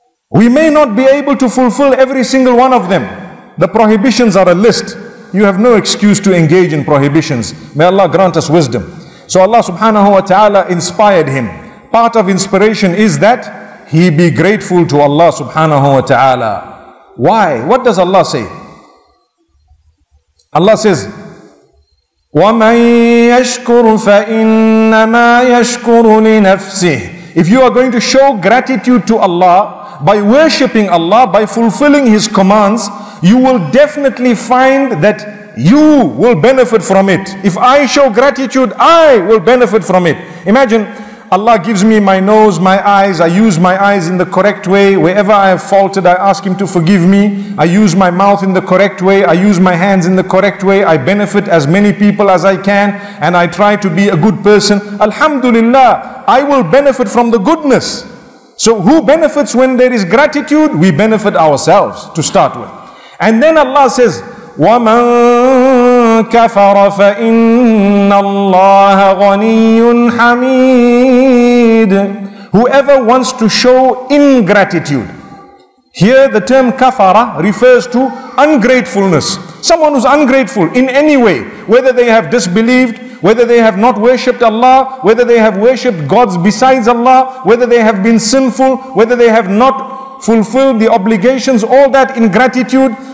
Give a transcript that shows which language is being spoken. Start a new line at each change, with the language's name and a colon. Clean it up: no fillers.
English: We may not be able to fulfill every single one of them. The prohibitions are a list. You have no excuse to engage in prohibitions. May Allah grant us wisdom. So Allah subhanahu wa ta'ala inspired him. Part of inspiration is that he be grateful to Allah subhanahu wa ta'ala. Why? What does Allah say? Allah says,
Arabic: وَمَن يَشْكُرُ فَإِنَّمَا يَشْكُرُ لِنَفْسِهِ.
English: If you are going to show gratitude to Allah by worshipping Allah, by fulfilling His commands, you will definitely find that you will benefit from it. If I show gratitude, I will benefit from it. Imagine Allah gives me my nose, my eyes. I use my eyes in the correct way. Wherever I have faulted, I ask Him to forgive me. I use my mouth in the correct way. I use my hands in the correct way. I benefit as many people as I can. And I try to be a good person. Alhamdulillah, I will benefit from the goodness. So who benefits when there is gratitude? We benefit ourselves to start with. And then Allah says,
Arabic: وَمَن كَفَرَ فَإِنَّ اللَّهَ غَنِيٌّ حَمِيدٌ.
English: Whoever wants to show ingratitude. Here the term kafara refers to ungratefulness. Someone who's ungrateful in any way, whether they have disbelieved, whether they have not worshipped Allah, whether they have worshipped gods besides Allah, whether they have been sinful, whether they have not fulfilled the obligations, all that ingratitude.